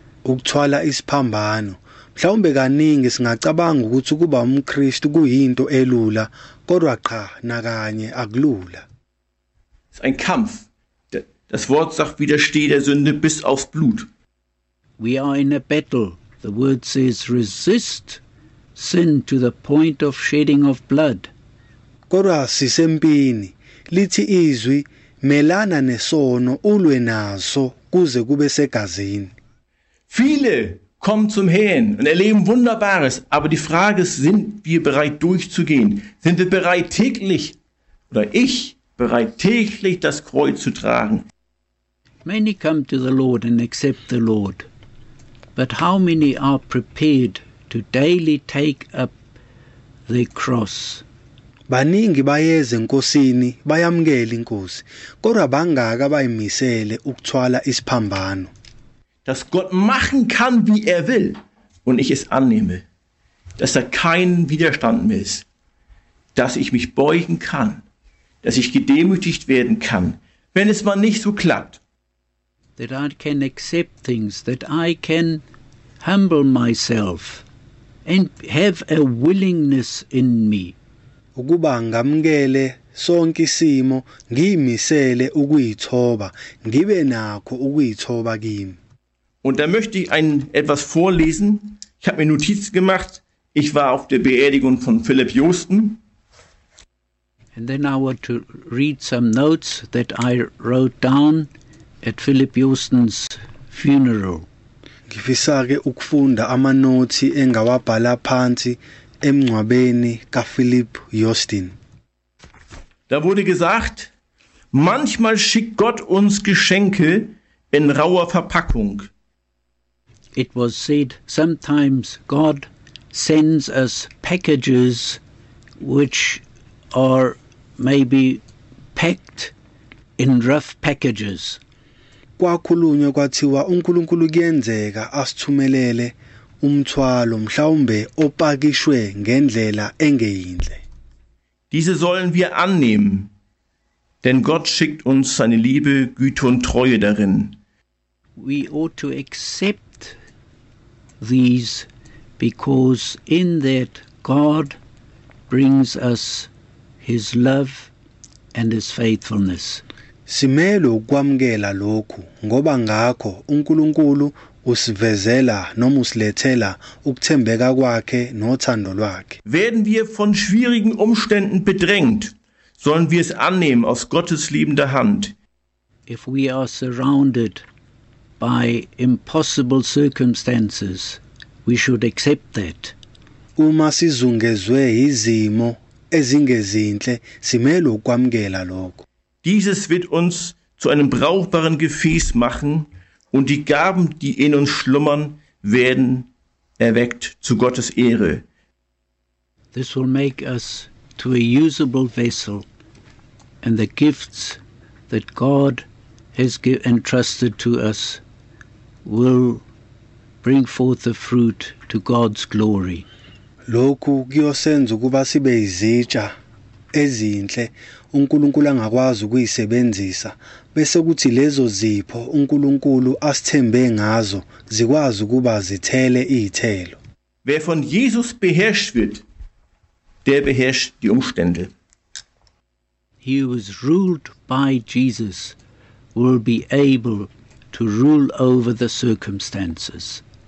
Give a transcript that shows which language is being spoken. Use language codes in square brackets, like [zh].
[zu] Ukuthwala isiphambano. Mhlawumbe kaningi singacabanga ukuthi ukuba umKristu kuyinto elula, kodwa cha nakanye akulula. [de] Es ist ein Kampf. Das Wort sagt, widerstehe der Sünde bis aufs Blut. [en] We are in a battle. The word says, resist sin to the point of shedding of blood. [zu] Kodwa sisempini, lithi izwi, melana nesono ulwe naso kuze kube segazini. [de] Viele kommen zum Herrn und erleben Wunderbares, aber die Frage ist, sind wir bereit durchzugehen? Sind wir bereit täglich, oder ich bereit täglich das Kreuz zu tragen? [en] Many come to the Lord and accept the Lord, but how many are prepared to daily take up the cross? [zu] Baningi bayeze enkosini bayamukela inkosi kodwa bangaka bayimisele ukuthwala isiphambano. [de] Dass Gott machen kann, wie will und ich es annehme, dass da kein Widerstand mehr ist, dass ich mich beugen kann, dass ich gedemütigt werden kann, wenn es mal nicht so klappt. [en] That I can accept things, that I can humble myself and have a willingness in me. [zu] Ukuba ngamukele sonke isimo, ngiyimisele ukuyithoba, ngibe nakho ukuyithoba kimi. [de] Und da möchte ich etwas vorlesen. Ich habe mir Notizen gemacht. Ich war auf der Beerdigung von Philip Yosten. [en] And then I want to read some notes that I wrote down at Philip Yosten's funeral. [zu] Ngifisake ukufunda amanothi engawabhala phansi emngcwabeni kaPhilip Yosten. [de] Da wurde gesagt, manchmal schickt Gott uns Geschenke in rauer Verpackung. [en] It was said, sometimes God sends us packages which are maybe packed in rough packages. [zu] Kwakhulunywa kwathiwa uNkulunkulu kuyenzeka asithumelele umthwalo mhlawumbe opakishwe ngendlela engeyinhle. [de] Diese sollen wir annehmen, denn Gott schickt uns seine Liebe, Güte und Treue darin. [en] We ought to accept these because in that God brings us his love and his faithfulness. [zu] Simelo kwamukela lokhu ngoba ngakho uNkulunkulu usivezela noma usilethela ukuthembeka kwakhe nothando lwakhe. [de] Werden wir von schwierigen Umständen bedrängt, sollen wir es annehmen aus Gottes liebender Hand. [en] If we are surrounded by impossible circumstances, we should accept that. [zu] Uma sizungezwe izimo ezingezinhle, simele ukwamukela lokho. [de] Dieses wird uns zu einem brauchbaren Gefäß machen und die Gaben, die in uns schlummern, werden erweckt zu Gottes Ehre. [en] This will make us to a usable vessel and the gifts that God has entrusted to us will bring forth the fruit to God's glory. [zu] Lokhu kuyosenza ukuba sibe izitsha ezinhle uNkulunkulu angakwazi ukuyisebenzisa bese kuthi lezo zipho uNkulunkulu asithembe ngazo zikwazi ukuba zithele izithelo. [de] Wer von Jesus beherrscht wird, der beherrscht die Umstände. [en] He who is ruled by Jesus will be able to rule over the circumstances.